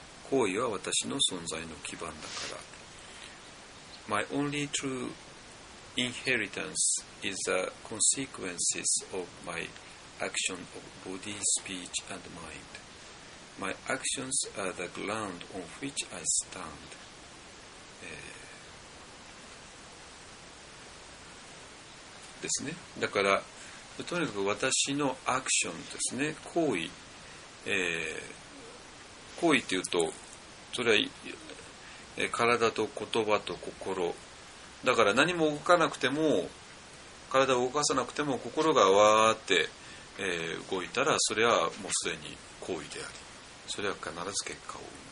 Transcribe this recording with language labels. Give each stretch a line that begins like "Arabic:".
Japanese: 行為は私の存在の基盤だから。
English: My only true inheritance is the consequences of my action of body, speech and mind. My actions are the ground on which I stand.、
Japanese: ですね。だから、とにかく私のアクションですね。行為。行為というと、それは体と言葉と心だから、何も動かなくても体を動かさなくても心がわーって、動いたらそれはもうすでに行為であり、それは必ず結果を生む。